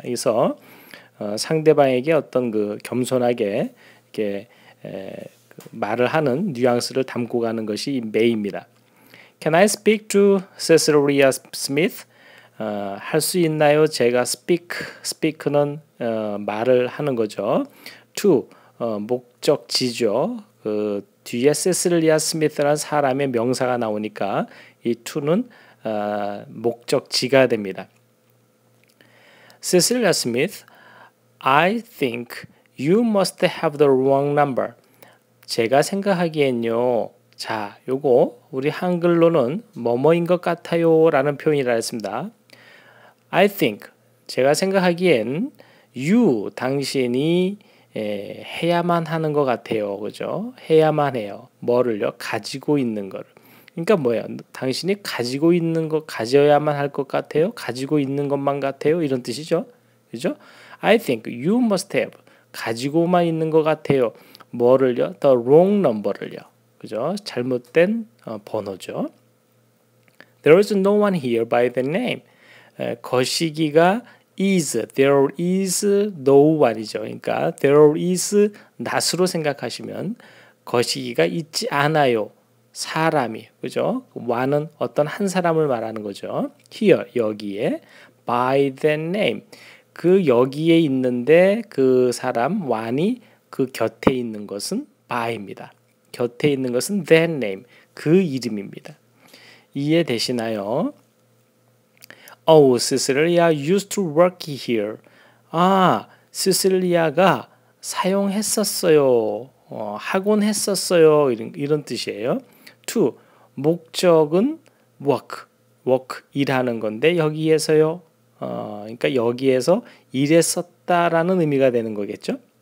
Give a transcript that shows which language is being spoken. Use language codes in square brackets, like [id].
[ko] 그래서 상대방에게 어떤 그 겸손하게 이렇게 말을 하는 뉘앙스를 담고 가는 것이 메이입니다. [en] Can I speak to Cecilia Smith? [ko] 할 수 있나요? 제가 speak는 말을 하는 거죠. To 목적지죠. 그 뒤에 세실리아 스미스라는 사람의 명사가 나오니까 이 to는 목적지가 됩니다. [en] Cecilia Smith, I think you must have the wrong number. [ko] 제가 생각하기엔요. 자, 요거 우리 한글로는 뭐뭐인 것 같아요라는 표현이라 했습니다. [en] I think [ko] 제가 생각하기엔 [en] you [ko] 당신이 해야만 하는 것 같아요. 그죠? 해야만 해요. 뭐를요? 가지고 있는 걸. 그러니까 뭐예요? 당신이 가지고 있는 거 가져야만 할 것 같아요? 가지고 있는 것만 같아요? 이런 뜻이죠. 그죠? [en] I think you must have [ko] 가지고만 있는 것 같아요. 뭐를요? [en] The wrong number를요. [ko] 그죠? 잘못된 번호죠. [en] There is no one here by the name. [ko] 거시기가 [en] is, there is no one이죠. [ko] 그러니까 [en] there is not [ko] 으로 생각하시면 거시기가 있지 않아요. 사람이, 그죠? one은 어떤 한 사람을 말하는 거죠. here, 여기에 [en] by the name, [ko] 그 여기에 있는데 그 사람, one이 그 곁에 있는 것은 by입니다. 곁에 있는 것은 the name, 그 이름입니다. 이해되시나요? [en] Oh, Cecilia used to work here. [ko] 아, Cecilia가 사용했었어요. 하곤 했었어요. 이런 뜻이에요. To, 목적은 work. Work, 일하는 건데 여기에서요. 그러니까 여기에서 일했었다라는 의미가 되는 거겠죠.